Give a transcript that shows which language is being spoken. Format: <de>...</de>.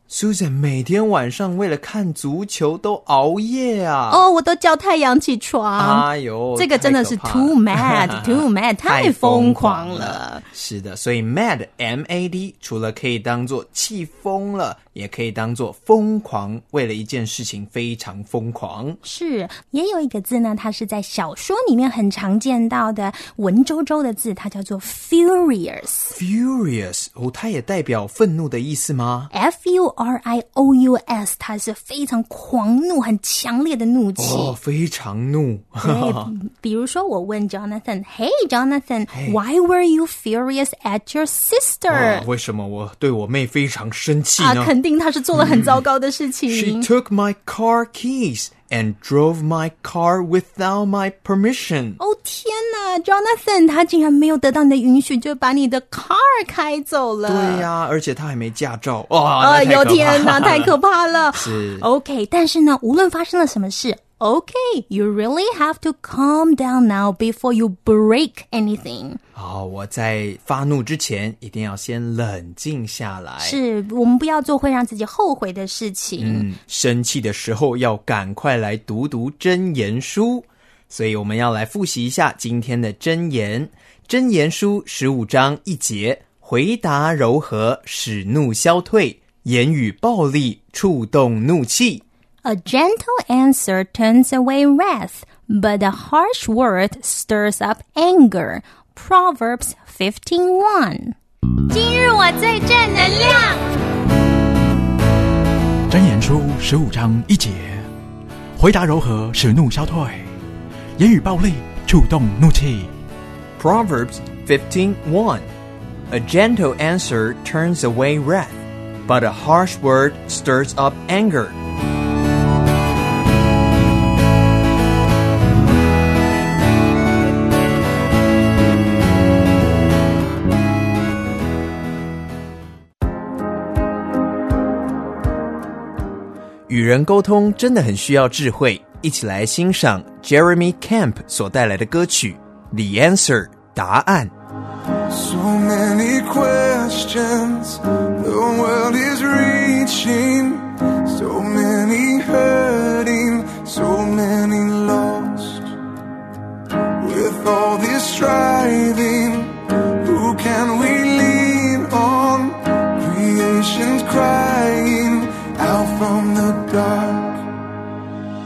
<zh>Susan 每天晚上为了看足球都熬夜啊哦、oh, 我都叫太阳起床哎呦这个真的是 too mad too mad 太疯狂了是的所以 mad M-A-D 除了可以当作气疯了也可以当作疯狂为了一件事情非常疯狂是也有一个字呢它是在小说里面很常见到的文绉绉的字它叫做 furious furious 哦，它也代表愤怒的意思吗 F-U R-I-O-U-S 它是非常狂怒很强烈的怒气、哦、非常怒比如说我问 Jonathan Hey Jonathan hey, Why were you furious at your sister?、哦、为什么我对我妹非常生气呢、啊、肯定她是做了很糟糕的事情、嗯、</zh> <en>She took my car keys and drove my car without my permission</en> <zh>哦天哪 Jonathan 她竟然没有得到你的允许就把你的 car 开走了对呀、啊、而且她还没驾照哇、有天哪太可怕了是</zh> <en>OK 但是呢无论发生了什么事 OK You really have to calm down now before you break anything</en> <zh>好我在发怒之前一定要先冷静下来是我们不要做会让自己后悔的事情嗯，生气的时候要赶快来读读真言书所以我们要来复习一下今天的真言真言书十五章一节回答柔和使怒消退言语暴力触动怒气</zh> <en>A gentle answer turns away wrath But a harsh word stirs up anger Proverbs 15:1 今日我最正能量</en> <zh>真言书十五章一节回答柔和使怒消退言语暴力触动怒气</zh> <en>Proverbs 15:1 A gentle answer turns away wrath But a harsh word stirs up anger</en> <zh>人沟通真的很需要智慧，一起来欣赏 Jeremy Camp 所带来的歌曲 The Answer 答案。</zh> <en>So many questions The world is reaching So many hurting So many lost With all this striving Who can we lean on Creation's crying Out from the dark</en>